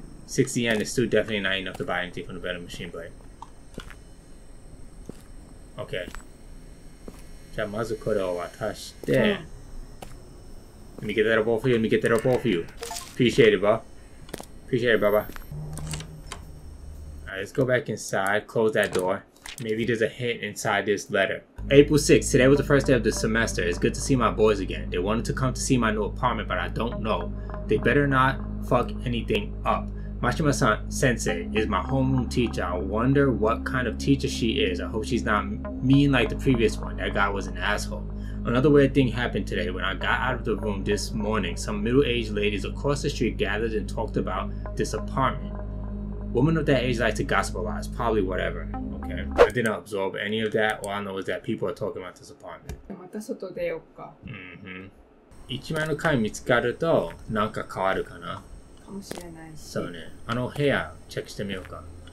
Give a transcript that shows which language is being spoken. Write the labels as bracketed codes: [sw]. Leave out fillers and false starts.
[en] 60 yen is still definitely not enough to buy anything from the vending machine, but. Okay. [ja] じゃあまずこれを渡して。 [en] Let me get that up all for you. Appreciate it, bro. Appreciate it, Baba. Alright, let's go back inside. Close that door. Maybe there's a hint inside this letter. April 6th, today was the first day of the semester. It's good to see my boys again. They wanted to come to see my new apartment, but I don't know. They better not fuck anything up. Mashima-san sensei is my homeroom teacher. I wonder what kind of teacher she is. I hope she's not mean like the previous one. That guy was an asshole. Another weird thing happened today. When I got out of the room this morning, some middle-aged ladies across the street gathered and talked about this apartment. Women of that age like to gossip a lot. It's probably whatever. Okay. I didn't absorb any of that. All I know is that people are talking about this apartment. [ja] また外出ようか。 1枚の紙見つかるとなんか変わるかな。かもしれないし。そうね。あの部屋チェックしてみようか。